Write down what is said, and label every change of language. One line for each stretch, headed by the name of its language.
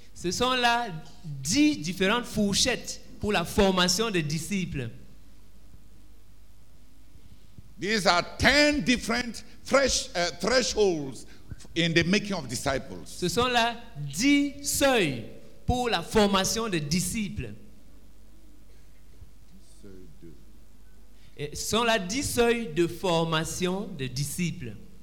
French: Ce sont là 10 différentes fourchettes pour la formation des disciples.
English: These are 10 different thresholds in the making of disciples.
French: Ce sont là 10 seuils pour la formation des disciples. Et ce sont là 10 seuils de formation des disciples.